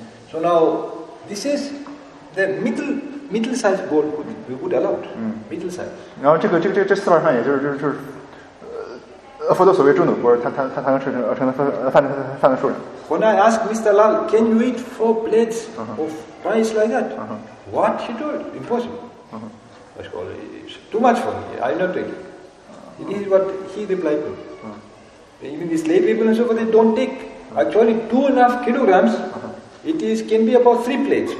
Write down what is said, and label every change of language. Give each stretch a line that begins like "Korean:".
English: So now, this is the middle size bowl we would allow. Middle size.
Chinese: 然后这四盘饭，也就是。佛陀所谓中等锅，他能盛的饭的数量。
English: When I ask Mr. Lal, can you eat four plates of rice like that? What he told? Impossible. I said, it's too much for me. I'm not taking. This is what he replied to. Even the slave people and so forth, they don't take. Actually, 2.5 kilograms, it is can be about 3 plates.